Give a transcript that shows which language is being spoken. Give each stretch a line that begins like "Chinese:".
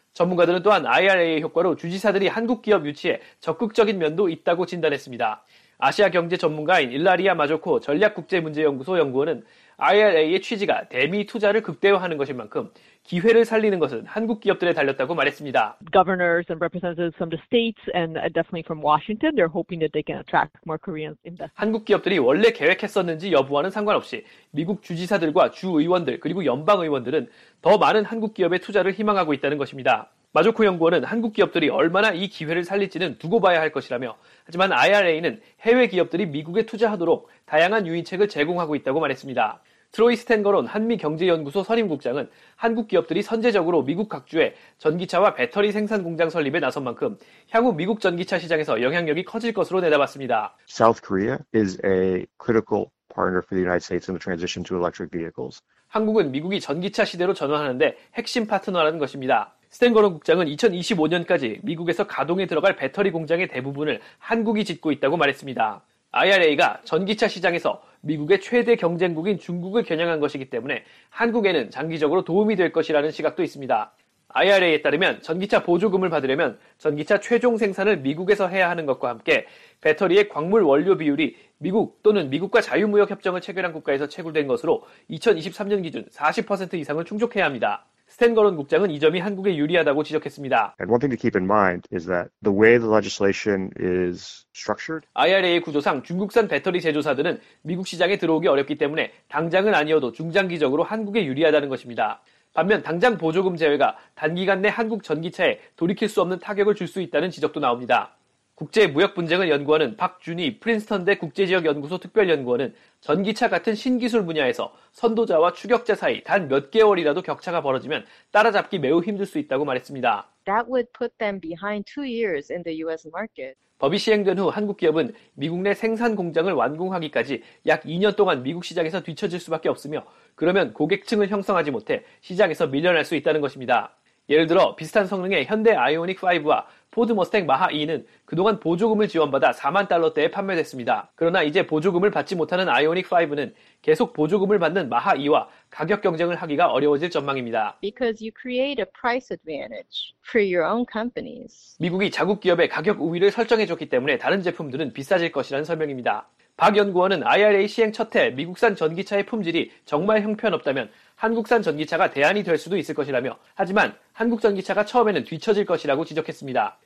Korean: 전문가들은 또한 IRA의 효과로 주지사들이 한국 기업 유치에 적극적인 면도 있다고 진단했습니다. 아시아 경제 전문가인 일라리아 마조코 전략국제문제연구소 연구원은 IRA의 취지가 대미 투자를 극대화하는 것인 만큼 기회를 살리는 것은 한국 기업들에 달렸다고 말했습니다.
English: Governors and representatives from the states and definitely from Washington, they're hoping that they can attract more Koreans in the
Korean: 한국 기업들이 원래 계획했었는지 여부와는 상관없이 미국 주지사들과 주의원들 그리고 연방의원들은 더 많은 한국 기업의 투자를 희망하고 있다는 것입니다. 마조코 연구원은 한국 기업들이 얼마나 이 기회를 살릴지는 두고 봐야 할 것이라며 하지만 IRA는 해외 기업들이 미국에 투자하도록 다양한 유인책을 제공하고 있다고 말했습니다. 트로이 스탠거론 한미경제연구소 선임국장은 한국 기업들이 선제적으로 미국 각주에 전기차와 배터리 생산 공장 설립에 나선 만큼 향후 미국 전기차 시장에서 영향력이 커질 것으로 내다봤습니다.
English: South Korea is a critical partner for the United States in the transition to electric vehicles.
Korean: 한국은 미국이 전기차 시대로 전환하는데 핵심 파트너라는 것입니다. 스탠거론 국장은 2025년까지 미국에서 가동에 들어갈 배터리 공장의 대부분을 한국이 짓고 있다고 말했습니다. IRA가 전기차 시장에서 미국의 최대 경쟁국인 중국을 겨냥한 것이기 때문에 한국에는 장기적으로 도움이 될 것이라는 시각도 있습니다. IRA에 따르면 전기차 보조금을 받으려면 전기차 최종 생산을 미국에서 해야 하는 것과 함께 배터리의 광물 원료 비율이 미국 또는 미국과 자유무역협정을 체결한 국가에서 채굴된 것으로 2023년 기준 40% 이상을 충족해야 합니다. 스탠거론 국장은 이 점이 한국에 유리하다고 지적했습니다.
English: And one thing to keep in mind is that the way the legislation is structured.
Korean: IRA의 구조상 중국산 배터리 제조사들은 미국 시장에 들어오기 어렵기 때문에 당장은 아니어도 중장기적으로 한국에 유리하다는 것입니다. 반면 당장 보조금 제외가 단기간 내 한국 전기차에 돌이킬 수 없는 타격을 줄 수 있다는 지적도 나옵니다. 국제무역 분쟁을 연구하는 박준희 프린스턴대 국제지역연구소 특별연구원은 전기차 같은 신기술 분야에서 선도자와 추격자 사이 단 몇 개월이라도 격차가 벌어지면 따라잡기 매우 힘들 수 있다고 말했습니다.
English: That would put them behind two years in the US market.
Korean: 법이 시행된 후 한국 기업은 미국 내 생산 공장을 완공하기까지 약 2년 동안 미국 시장에서 뒤처질 수밖에 없으며 그러면 고객층을 형성하지 못해 시장에서 밀려날 수 있다는 것입니다. 예를 들어 비슷한 성능의 현대 아이오닉 5와 포드 머스탱 마하 E는 그동안 보조금을 지원받아 4만 달러대에 판매됐습니다. 그러나 이제 보조금을 받지 못하는 아이오닉 5는 계속 보조금을 받는 마하 E와 가격 경쟁을 하기가 어려워질 전망입니다.
English: Because you create a price advantage for your own companies.
Korean: 미국이 자국 기업의 가격 우위를 설정해줬기 때문에 다른 제품들은 비싸질 것이라는 설명입니다. 박 연구원은 IRA 시행 첫해 미국산 전기차의 품질이 정말 형편없다면 한국산 전기차가 대안이 될 수도 있을 것이라며 하지만 한국 전기차가 처음에는 뒤처질 것이라고 지적했습니다.